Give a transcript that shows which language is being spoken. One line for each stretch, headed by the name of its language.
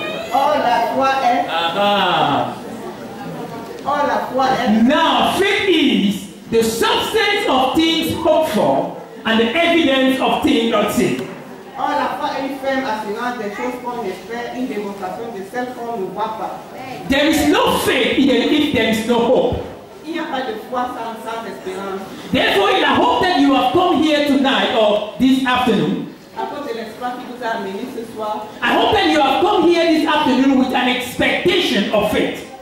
French: Oh, la foi est. Oh, la foi est.
English: Now, faith is the substance of things hoped for and the evidence of things not seen.
French: Oh, la foi est ferme, assurant des choses qu'on espère, une démonstration de celles qu'on ne voit pas.
English: There is no faith if there is no hope. Therefore, in the hope that you have come here tonight or this afternoon, I hope that you have come here this afternoon with an expectation of faith.